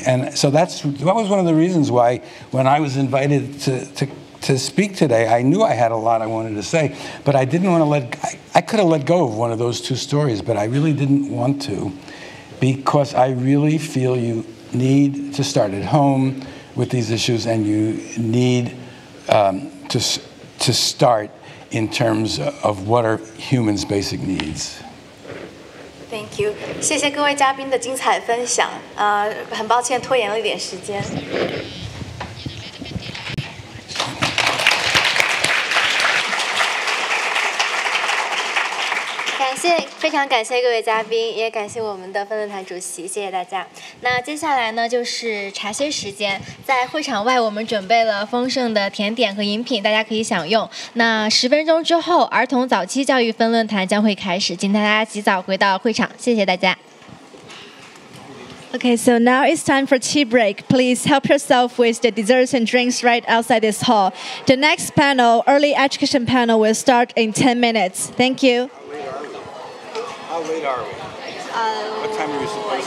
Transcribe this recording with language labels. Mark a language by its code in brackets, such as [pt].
[en] And so that was one of the reasons why when I was invited to speak today, I knew I had a lot I wanted to say, but I didn't want to I could have let go of one of those two stories, but I really didn't want to, because I really feel you need to start at home with these issues, and you need to start in terms of what are humans' basic needs. Thank you. [zh] 谢谢各位嘉宾的精彩分享。很抱歉拖延了一点时间。非常感谢各位嘉宾，也感谢我们的分论坛主席，谢谢大家。那接下来呢就是茶歇时间，在会场外我们准备了丰盛的甜点和饮品，大家可以享用。那十分钟之后儿童早期教育分论坛将会开始，请大家及早回到会场，谢谢大家。 [en] Okay, so now it's time for tea break. Please help yourself with the desserts and drinks right outside this hall. The next panel, early education panel, will start in 10 minutes. Thank you. How late are we? What time are we supposed